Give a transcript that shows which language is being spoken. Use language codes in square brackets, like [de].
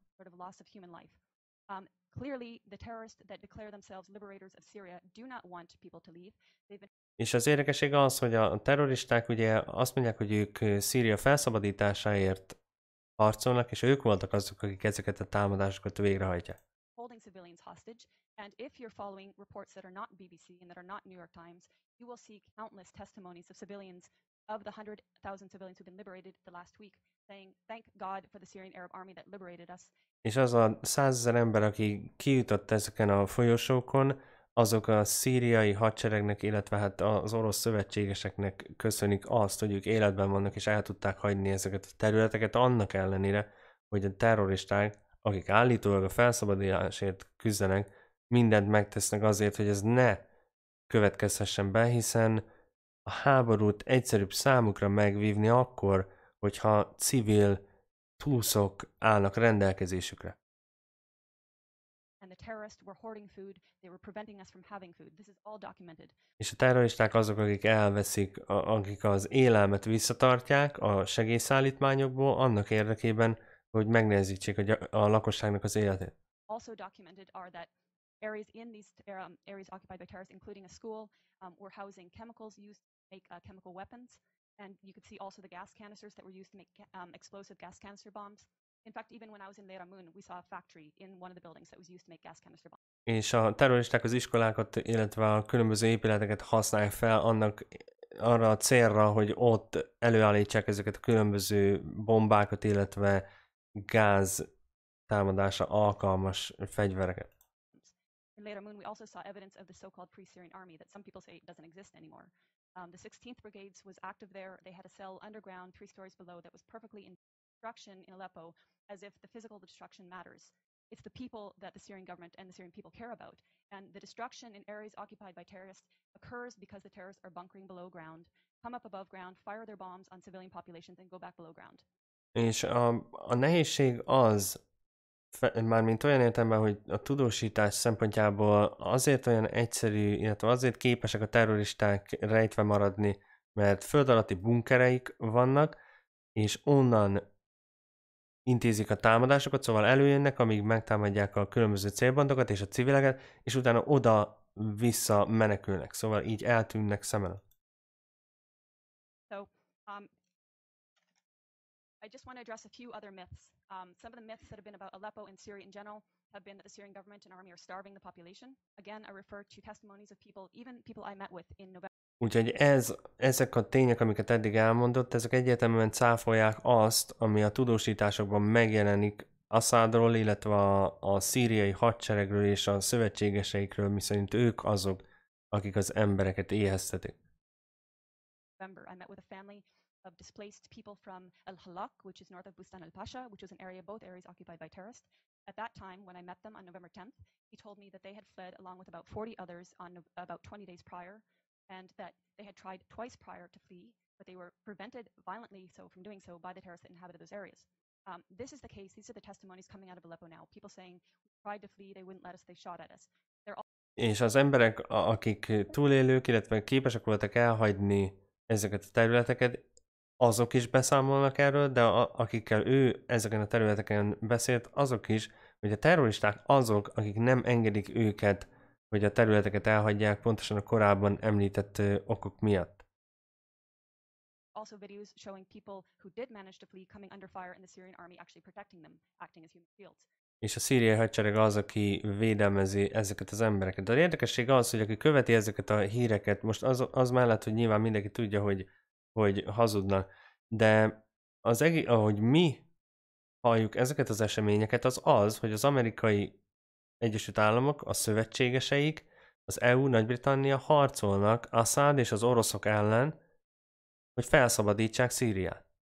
[en] Sort of loss of human life. Clearly, the terrorists that declare themselves liberators of Syria do not want people to leave. [hu] És az érdekesség az, hogy a terroristák ugye azt mondják, hogy ők Szíria felszabadításáért harcolnak, és ők voltak azok, akik ezeket a támadásokat végrehajtják. [en] Holding civilians hostage, and if you're following reports that are not BBC and that are not New York Times, you will see countless testimonies of civilians, of the 100,000 civilians who've been liberated the last week, saying, thank God for the Syrian Arab army that liberated us. [hu] És az a 100,000 ember, aki kijutott ezeken a folyosókon, azok a szíriai hadseregnek, illetve hát az orosz szövetségeseknek köszönik azt, hogy ők életben vannak, és el tudták hagyni ezeket a területeket, annak ellenére, hogy a terroristák, akik állítólag a felszabadulásért küzdenek, mindent megtesznek azért, hogy ez ne következhessen be, hiszen a háborút egyszerűbb számukra megvívni akkor, hogyha civil túszok állnak rendelkezésükre. [en] And the terrorists were hoarding food, they were preventing us from having food. This is all documented. [hu] És a terroristák azok, akik elveszik, akik az élelmet visszatartják a segélyszállítmányokból, annak érdekében, hogy megnehezítsék a lakosságnak az életét. [en] Also documented are that areas in these areas occupied by terrorists, including a school, were housing chemicals used to make chemical weapons. And you could see also the gas canisters that were used to make explosive gas canister bombs. In fact, even when I was in Leramun, we saw a factory in one of the buildings that was used to make gas canister bombs. [hu] És a terroristák az iskolákat, illetve a különböző épületeket használják fel annak arra a célra, hogy ott előállítsák ezeket a különböző bombákat, illetve gáz támadása alkalmas fegyvereket. [en] In Leramun, we also saw evidence of the so-called pre-Syrian army that some people say doesn't exist anymore. The 16th Brigades was active there. They had a cell underground, three stories below, that was perfectly in destruction in Aleppo, as if the physical destruction matters. It's the people that the Syrian government and the Syrian people care about. And the destruction in areas occupied by terrorists occurs because the terrorists are bunkering below ground, come up above ground, fire their bombs on civilian populations, and go back below ground. [hu] És a nehézség az, mármint olyan értelemben, hogy a tudósítás szempontjából azért olyan egyszerű, illetve azért képesek a terroristák rejtve maradni, mert föld alatti bunkereik vannak, és onnan intézik a támadásokat, szóval előjönnek, amíg megtámadják a különböző célpontokat és a civileket, és utána oda-vissza menekülnek, szóval így eltűnnek szem előtt. [en] I just want to address a few other myths. Some of the myths that have been about Aleppo and Syria in general have been that the Syrian government and army are starving the population. Again, I refer to testimonies of people, even people I met with in November. [hu] Úgyhogy ezek a tények, amiket eddig elmondott, ezek egyértelműen cáfolják azt, ami a tudósításokban megjelenik Assadról, illetve a szíriai hadseregről és a szövetségeseikről, miszerint ők azok, akik az embereket éheztetik. [en] November, I met with a family of displaced people from Al Halak, which is north of Bustan al Pasha, which was an area, both areas occupied by terrorists. At that time, when I met them on November 10th, he told me that they had fled along with about 40 others on about 20 days prior, and that they had tried twice prior to flee, but they were prevented violently so from doing so by the terrorists that inhabited those areas. This is the case, these are the testimonies coming out of Aleppo now, people saying, we tried to flee, they wouldn't let us, they shot at us. They're all. [hu] És az emberek, akik túlélők, illetve képesek voltak elhagyni ezeket a területeket, azok is beszámolnak erről, de akikkel ő ezeken a területeken beszélt, azok is, hogy a terroristák azok, akik nem engedik őket, hogy a területeket elhagyják, pontosan a korábban említett okok miatt. [en] Also videos showing people who did manage to flee coming under fire and the Syrian army actually protecting them, acting as human shields. [hu] És a szíriai hadsereg az, aki védelmezi ezeket az embereket. De az érdekesség az, hogy aki követi ezeket a híreket, most az mellett, hogy nyilván mindenki tudja, hogy hazudnak. De ahogy mi halljuk ezeket az eseményeket, az, hogy az amerikai Egyesült Államok, a szövetségeseik, az EU, Nagy-Britannia harcolnak Assad és az oroszok ellen, hogy felszabadítsák Szíriát.